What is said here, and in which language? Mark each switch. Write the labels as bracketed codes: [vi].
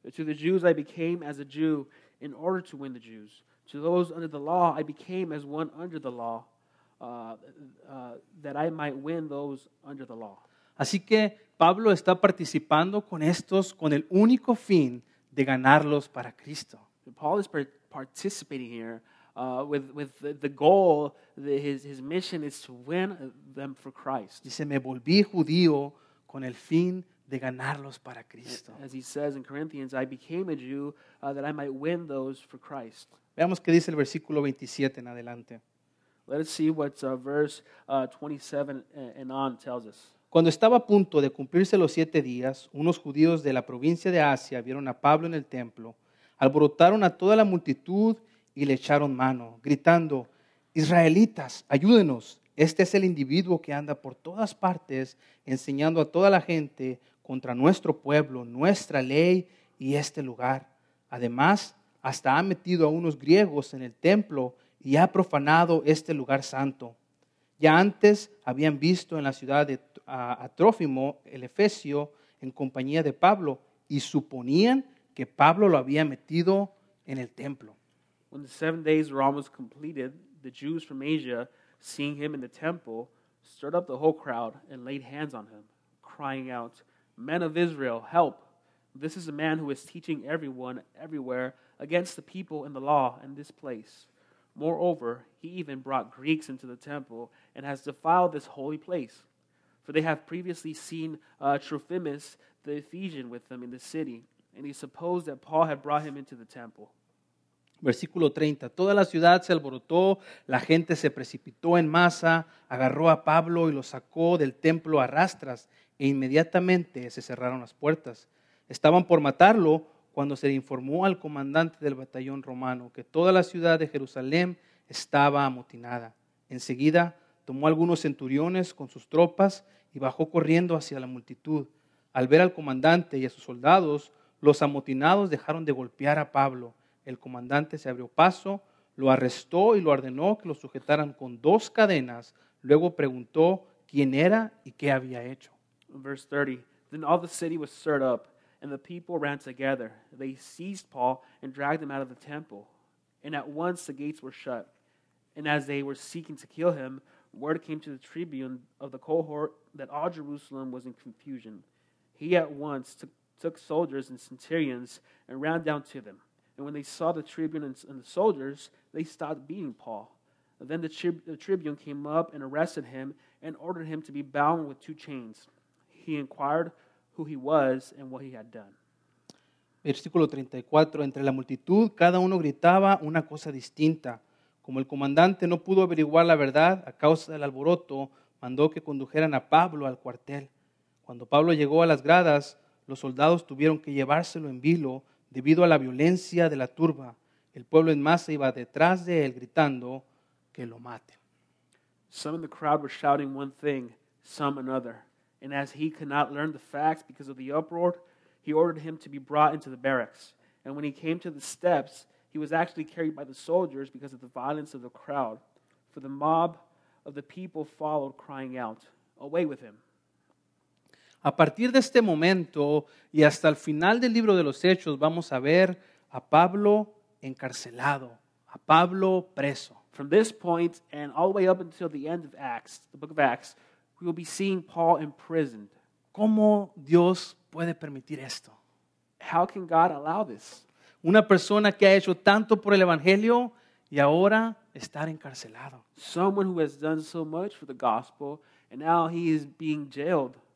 [en] To the Jews I became as a Jew in order to win the Jews. To those under the law I became as one under the law, that I might win those under the law. [es] Así que Pablo está participando con estos con el único fin de ganarlos para Cristo. [en] Paul is participating here with the goal that his mission is to win them for Christ. [es] Dice, me volví judío con el fin de ganarlos para Cristo. [en] As he says in Corinthians, I became a Jew that I might win those for Christ. [es] Veamos qué dice el versículo 27 en adelante. [en] Let us see what verse 27 and on tells us. [es] Cuando estaba a punto de cumplirse los siete días, unos judíos de la provincia de Asia vieron a Pablo en el templo, alborotaron a toda la multitud y le echaron mano, gritando, Israelitas, ayúdenos, este es el individuo que anda por todas partes enseñando a toda la gente contra nuestro pueblo, nuestra ley y este lugar. Además, hasta ha metido a unos griegos en el templo y ha profanado este lugar santo. Ya antes habían visto en la ciudad de a Trófimo, el Efesio, en compañía de Pablo, y suponían que Pablo lo había metido en el templo. [en] When the 7 days were almost completed, the Jews from Asia, seeing him in the temple, stirred up the whole crowd and laid hands on him, crying out, Men of Israel, help! This is a man who is teaching everyone everywhere against the people and the law in this place. Moreover, he even brought Greeks into the temple and has defiled this holy place. For they have previously seen Trophimus, the Ephesian, with them in the city, and he supposed that Paul had brought him into the temple. [es] Versículo 30. Toda la ciudad se alborotó, la gente se precipitó en masa, agarró a Pablo y lo sacó del templo a rastras, e inmediatamente se cerraron las puertas. Estaban por matarlo cuando se le informó al comandante del batallón romano que toda la ciudad de Jerusalén estaba amotinada. Enseguida, tomó algunos centuriones con sus tropas y bajó corriendo hacia la multitud. Al ver al comandante y a sus soldados, los amotinados dejaron de golpear a Pablo. El comandante se abrió paso, lo arrestó y lo ordenó que lo sujetaran con dos cadenas. Luego preguntó quién era y qué había hecho. [en] Verse 30. Then all the city was stirred up, and the people ran together. They seized Paul and dragged him out of the temple. And at once the gates were shut. And as they were seeking to kill him, word came to the tribune of the cohort that all Jerusalem was in confusion. He at once took soldiers and centurions and ran down to them. And when they saw the tribune and the soldiers, they stopped beating Paul. Then the tribune came up and arrested him and ordered him to be bound with two chains. He inquired who he was and what he had done. [es] Versículo 34. Entre la multitud, cada uno gritaba una cosa distinta. Como el comandante no pudo averiguar la verdad a causa del alboroto, mandó que condujeran a Pablo al cuartel. Cuando Pablo llegó a las gradas, los soldados tuvieron que llevárselo en vilo debido a la violencia de la turba. El pueblo en masa iba detrás de él gritando que lo maten. [en] Some in the crowd were shouting one thing, some another. And as he could not learn the facts because of the uproar, he ordered him to be brought into the barracks. And when he came to the steps, he was actually carried by the soldiers because of the violence of the crowd. For the mob of the people followed, crying out, Away with him. [es] A partir de este momento y hasta el final del libro de los Hechos, vamos a ver a Pablo encarcelado, a Pablo preso. [en] From this point and all the way up until the end of Acts, the book of Acts, we will be seeing Paul imprisoned. [es] ¿Cómo Dios puede permitir esto? [en] How can God allow this? [es] Una persona que ha hecho tanto por el Evangelio y ahora estar encarcelado. [en] Someone who has done so much for the gospel and now he is being jailed.